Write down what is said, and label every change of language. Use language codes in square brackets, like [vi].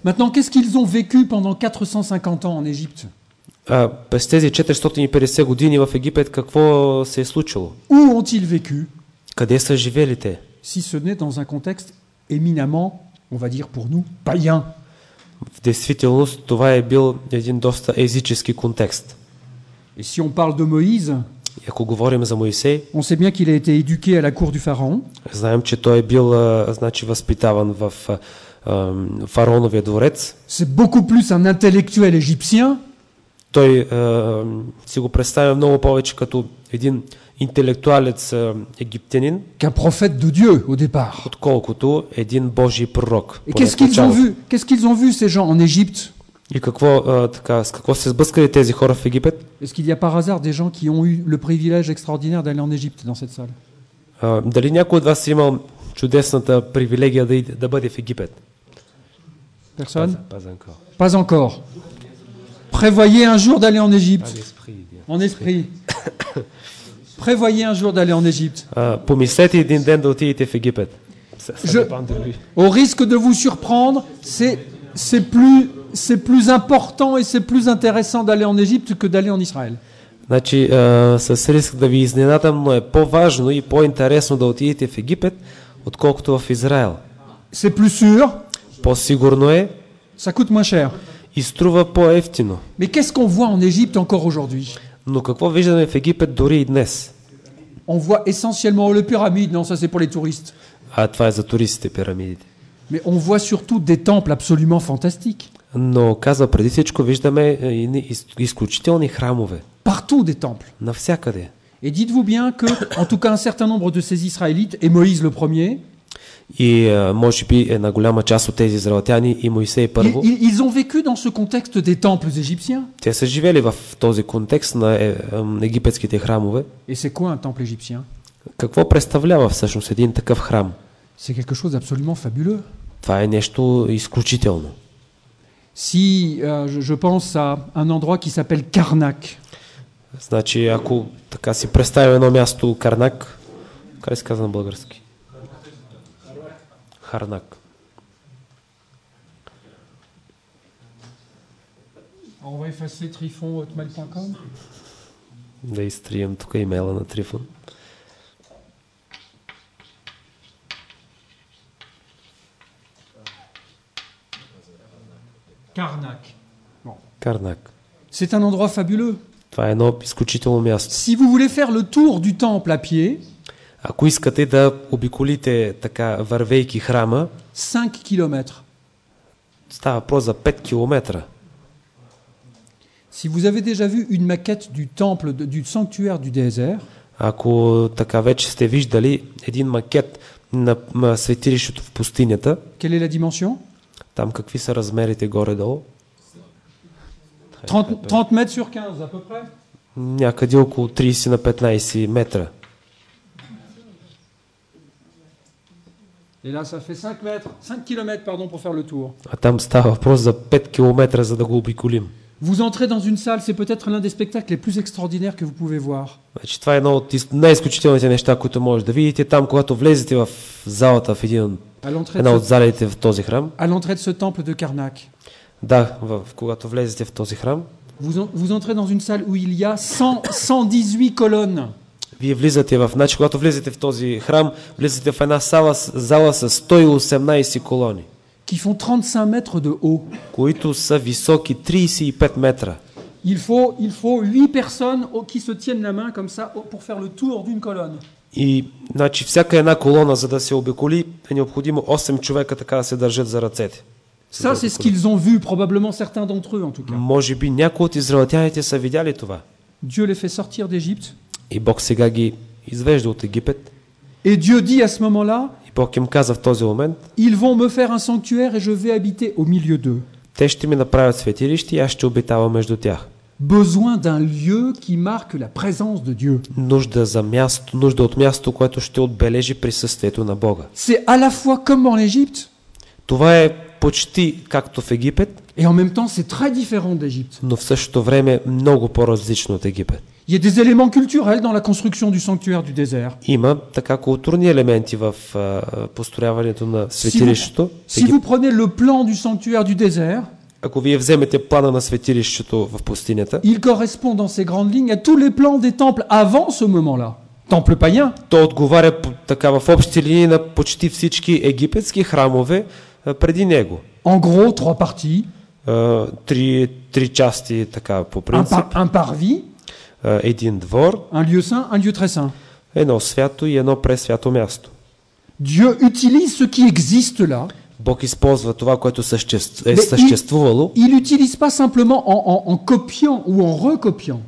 [fr] Maintenant, qu'est-ce qu'ils ont vécu pendant 450 ans en Égypte? [bg] През тези 450 години в Египет какво се е случило? [fr] Où ont-ils vécu? [bg] Къде са живели те? [fr] Si ce n'est dans un contexte éminemment, on va dire pour nous, païen. [bg] В действителност това е бил един доста езически контекст. [fr] Et si on parle de Moïse, [bg] и ако говорим за Моисей, [fr] on sait bien qu'il a été éduqué à la cour du pharaon. [bg] Знаем, че той е бил възпитаван в фараоновия дворец. [fr] C'est beaucoup plus un intellectuel égyptien. [bg] Той си го представя много повече като един интелектуалец египтянин. [fr] Qu'un prophète de Dieu au départ. [bg] Отколкото един Божий пророк. [fr] Et qu'est-ce qu'ils ont vu? Qu'est-ce qu'ils ont vu ces gens en Égypte? [bg] И какво така, с какво се сблъскали тези хора в Египет? [fr] Est-ce qu'il y a par hasard des gens qui ont eu le privilège extraordinaire d'aller en Égypte dans cette salle? [bg] Дали някой от вас имал чудесната привилегия да бъде в Египет? [fr] Personne? Pas encore. Pas encore. Prévoyez un jour d'aller en Égypte. En esprit. Prévoyez un jour d'aller en Égypte. [bg] Помислете един ден да отидете в Египет. [fr] Au risque de vous surprendre, c'est plus important et c'est plus intéressant d'aller en Égypte que d'aller en Israël. [bg] Значи, с риск да ви изненадам, но е по-важно и по-интересно да отидете в Египет, отколкото в Израел. [fr] C'est plus sûr. [bg] По-сигурно е. [fr] Ça coûte moins cher. [bg] И струва по-евтино. [fr] Mais qu'est-ce qu'on voit en Égypte encore aujourd'hui? [bg] Но какво виждаме в Египет дори и днес? [fr] On voit essentiellement les pyramides, non, ça c'est pour les touristes. [bg] А това е за туристите, пирамидите. [fr] Mais on voit surtout des temples absolument fantastiques. [bg] Но казва преди всичко виждаме изключителни храмове. [fr] Partout des temples. [bg] Навсякъде. [fr] Et dites-vous bien que en tout cas un certain nombre de ces Israélites et Moïse le premier. [bg] И може би една голяма част от тези израелтяни и Моисей първо. [fr] Ils ont vécu dans ce contexte des temples égyptiens. [bg] Те са живели в този контекст на египетските храмове. [fr] Et c'est quoi un temple égyptien? [bg] Какво представлява всъщност един такъв храм? [fr] C'est quelque chose d'absolument fabuleux. [bg] Това е нещо изключително. [fr] Si je pense à un endroit qui s'appelle Karnak. [bg] Значи, ако така си представя едно място Карнак, как се казва на български? Харнак. [fr] On va effacer trifon@hotmail.com. [bg] Да изтрием тук имейла на Трифон. Карнак. Карнак. [fr] C'est un endroit fabuleux. [bg] Това е едно изключително място. [fr] Si vous voulez faire le tour du temple à pied, [bg] ако искате да обиколите така вървейки храма, 5 км. Става въпрос за 5 км. [fr] Si vous avez déjà vu une maquette du temple du sanctuaire du désert, [bg] ако така вече сте виждали един макет на светилището в пустинята, [fr] quelle est la dimension? [bg] Там какви са размерите горе-долу? [fr] 30 mètres sur 15, à peu près. [bg] Някъде около 30 на 15 метра. [fr] Et là, ça fait 5 mètres, 5 km, pardon, pour faire le tour. [bg] А там става въпрос за 5 км, за да го обиколим. [fr] Vous entrez dans une salle, c'est peut-être l'un des spectacles les plus extraordinaires que vous pouvez voir. [bg] Значи, това е едно от най-изключителните неща, които може да видите там, когато влезете в залата, в една от залите в този храм. [fr] À l'entrée de ce temple de Karnak. [bg] Да, когато влезете в този храм. [fr] Vous entrez dans une salle où il y a 118 colonnes. [bg] Вие влизате в, значи когато влезете в този храм, влизате в една зала с 118 колони. [fr] Qui font 35 mètres de haut. [bg] Които са високи 35 метра. [fr] Il faut 8 personnes qui se tiennent la main comme ça pour faire le tour d'une colonne. [bg] И значи всяка една колона, за да се обиколи, е необходимо 8 човека така да се държат за ръцете. [fr] Ça, c'est ce qu'ils ont vu, probablement certains d'entre eux, en tout cas. [bg] Може би някои от израелтяните са видяли това. [fr] Dieu les fait sortir d'Égypte. [bg] И Бог сега ги извежда от Египет. [fr] Et Dieu dit à ce moment-là. [bg] И Бог им каза в този момент. [fr] Ils vont me faire un sanctuaire et je vais habiter au milieu d'eux. [bg] Те ще ми направят светилище и аз ще обитавам между тях. [fr] Besoin d'un lieu qui marque la présence de Dieu. [bg] Нужда за място, нужда от място, което ще отбележи присъствието на Бога. [fr] C'est à la fois comme en Égypte. [bg] Това е почти както в Египет. [fr] Et en même temps, c'est très différent d'Égypte. [bg] Но в същото време много по-различно от Египет. [fr] Il y a des éléments culturels dans la construction du sanctuaire du désert. [bg] Има така културни елементи в построяването на светилището. [fr] Si vous prenez le plan du sanctuaire du désert, [bg] ако вие вземете плана на светилището в пустинята, [fr] il correspond dans ses grandes lignes à tous les plans des temples avant ce moment-là. Temple païen. [bg] То отговаря така в общи линии на почти всички египетски храмове преди него. [fr] En gros, trois parties. [bg] Три части така по принцип. [fr] Un parvis. [bg] Един двор. [fr] Un lieu saint, un lieu très saint. [bg] Едно свято и едно пресвято място. [fr] Dieu utilise ce qui existe là. [bg] Бог използва това, което е съществувало. [fr] Il utilise pas simplement en copiant ou en recopiant.